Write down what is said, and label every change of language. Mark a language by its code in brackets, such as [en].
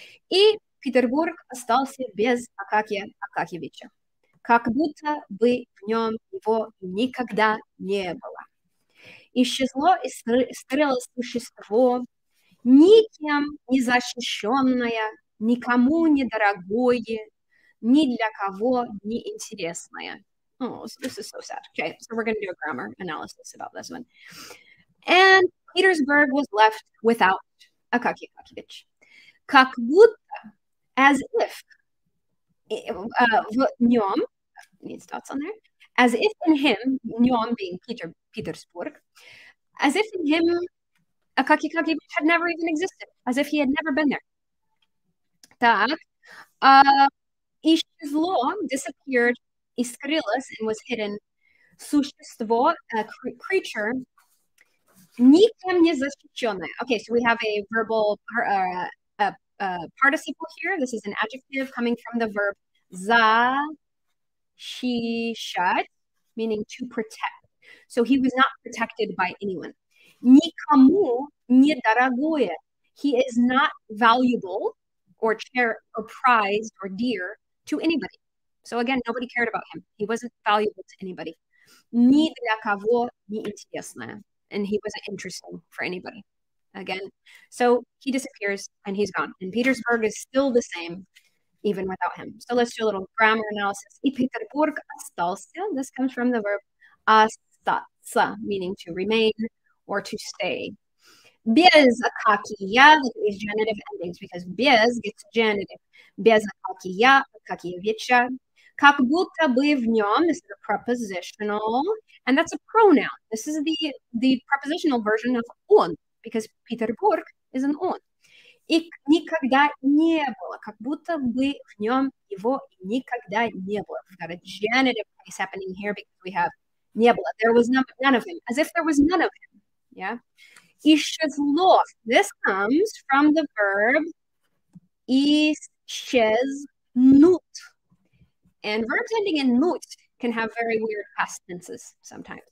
[ru] И Петербург остался без Акакия Акакьевича, как будто бы в нем его никогда не было. Исчезло и стрело существо, никем не защищенное, никому не дорогое, ни для кого не интересное. [en] Oh, so this is so sad. Okay, so we're going to do a grammar analysis about this one. And Petersburg was left without Акакий Акакьевич. [ru] Как будто, [en] as if, [ru] в нём, [en] needs dots on there, as if in him, нём being Petersburg, as if in him, Акакий Акакьевич had never even existed, as if he had never been there. [ru] Так, исчезло, disappeared, искрилось, [en] and was hidden, [ru] существо, [en] a creature, [ru] никем не защищённое. [en] Okay, so we have a verbal participle here. This is an adjective coming from the verb защищать, meaning to protect. So he was not protected by anyone. [ru] Никому не дорогое. [en] He is not valuable or prized or dear to anybody. So again, nobody cared about him. He wasn't valuable to anybody. [ru] Ни для кого не интересное. [en] And he wasn't interesting for anybody. Again, so he disappears and he's gone. And Petersburg is still the same, even without him. So let's do a little grammar analysis. [ru] И Петербург остался. [en] This comes from the verb остаться, meaning to remain or to stay. Без Акакия, these genitive endings, because без gets genitive. Без Акакия, Акакиевича. [ru] Как будто бы в нем, [en] this is a prepositional, and that's a pronoun. This is the prepositional version of он, because Петербург is an он. [ru] И никогда не было, как будто бы в нем его никогда не было. [en] We've got a genitive case happening here because we have не было. There was none of him, as if there was none of him, yeah? Исчезло, this comes from the verb исчезнуть. And verbs ending in "-нут" can have very weird past tenses sometimes.